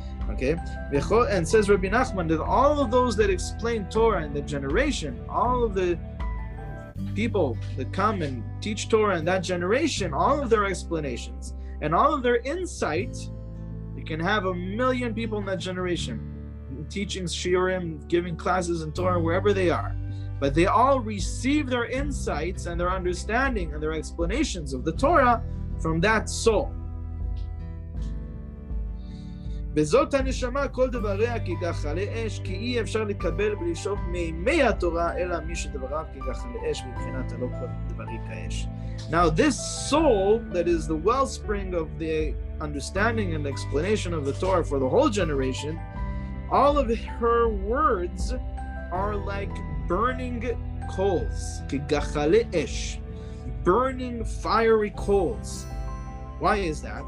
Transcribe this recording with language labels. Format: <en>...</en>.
<en>Okay, and says Rabbi Nachman, that all of those that explain Torah in the generation, all of the people that come and teach Torah in that generation, all of their explanations and all of their insight, you can have a million people in that generation teaching shiurim, giving classes in Torah, wherever they are, but they all receive their insights and their understanding and their explanations of the Torah from that soul.</en> <he>וזאת הנשמה כל דבריה כגחלי אש, כי אי אפשר לקבל ולשאוף מימי התורה, אלא מי שדבריו כגחלי אש, מבחינת הלא כל דברי כאש.</he> <en>Now this soul, that is the wellspring of the understanding and explanation of the Torah for the whole generation, all of her words are like burning coals,</en> <he>כגחלי אש,</he> <en>burning fiery coals. Why is that?</en>